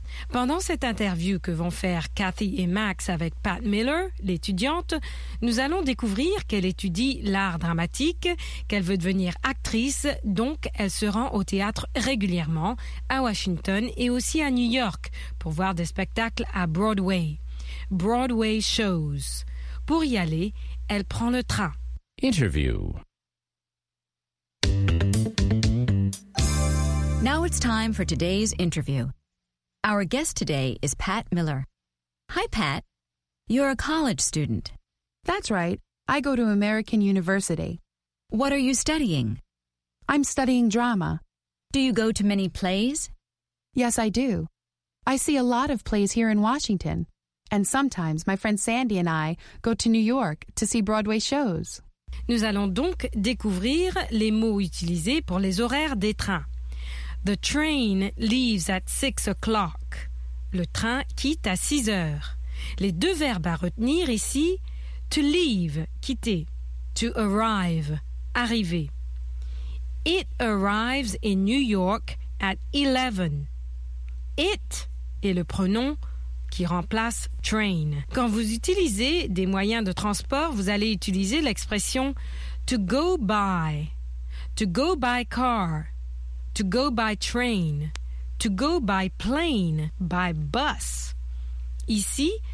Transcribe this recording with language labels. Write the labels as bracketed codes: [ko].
[fr] Pendant cette interview que vont faire Kathy et Max avec Pat Miller, l'étudiante, nous allons découvrir qu'elle étudie l'art dramatique, qu'elle veut devenir actrice, donc elle se rend au théâtre régulièrement, à Washington et aussi à New York, pour voir des spectacles à Broadway. [en] Broadway shows. [fr] Pour y aller, elle prend le train. Interview. [en] Now it's time for today's interview. Our guest today is Pat Miller. Hi, Pat. You're a college student. That's right. I go to American University. What are you studying? I'm studying drama. Do you go to many plays? Yes, I do. I see a lot of plays here in Washington. And sometimes my friend Sandy and I go to New York to see Broadway shows. [fr] Nous allons donc découvrir les mots utilisés pour les horaires des trains. [en] The train leaves at 6 o'clock. [fr] Le train quitte à 6 heures. Les deux verbes à retenir ici, [en] to leave, [fr] quitter, [en] to arrive, [fr] arriver. [en] It arrives in New York at 11. [fr] It est le pronom qui remplace train. Quand vous utilisez des moyens de transport, vous allez utiliser l'expression [en] to go by car, to go by train, to go by plane, by bus. [fr] Ici,